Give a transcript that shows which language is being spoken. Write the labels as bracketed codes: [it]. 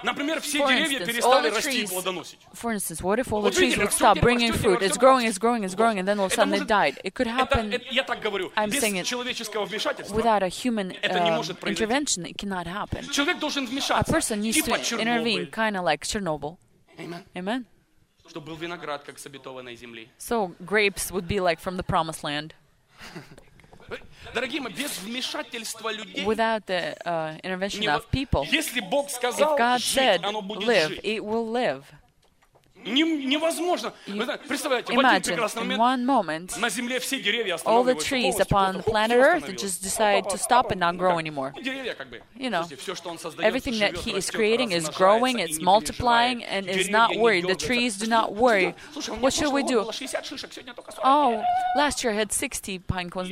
[ru] Например, все деревья перестали расти и плодоносить. [en] For instance, what if all the trees would stop bringing fruit? It's growing, it's growing, it's growing, and then all of a sudden it died. It could happen. I'm saying it. [ru] Человеческого вмешательства. [en] Without a human intervention, it cannot happen. [ru] Человек должен вмешаться. [en] A person needs to intervene, kind of like Chernobyl. Amen. [ru] Чтобы был виноград, как с обетованной земли. [en] So grapes would be like from the promised land. [ru] Дорогие мои, без вмешательства людей. [en] Without the intervention of people. [ru] Если Бог сказал, жить, оно будет [en] live, [ru] жить. [en] It will live. [ru] Невозможно. Представляете, [en] imagine, [ru] в один прекрасный момент на земле все деревья останавливаются полностью. [en] All the trees upon just decide to stop and not grow anymore. [ru] Деревья как бы. [en] You know, everything that he is creating is growing, it's multiplying, and is not worried. The trees do not worry. What should we do? Oh, last year I had 60 pine cones.